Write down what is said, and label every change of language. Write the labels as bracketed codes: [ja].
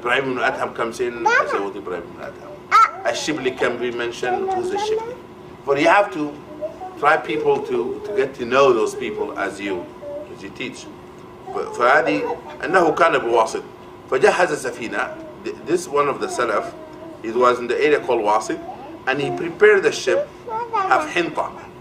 [en] إبراهيم بن أدهم comes in. I say what إبراهيم بن أدهم. الشبلي can be mentioned. Who's the Shibli? But you have to try people to get to know those people as you teach. [ar] فهذه أنه كان بواسط فجهز سفينة. [en] This one of the Salaf, it was in the area called Wasit, and he prepared the ship of حنطة.